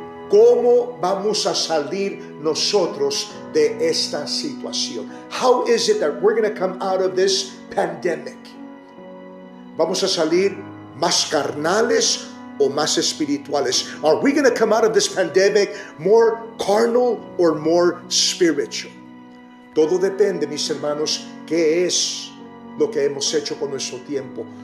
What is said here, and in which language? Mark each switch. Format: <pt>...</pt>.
<es>¿Cómo vamos a salir nosotros de esta situación?</es> <en>How is it that we're going to come out of this pandemic?</en> <es>¿Vamos a salir más carnales o más espirituales?</es> <en>Are we going to come out of this pandemic more carnal or more spiritual?</en> <es>Todo depende, mis hermanos, qué es lo que hemos hecho con nuestro tiempo.</es>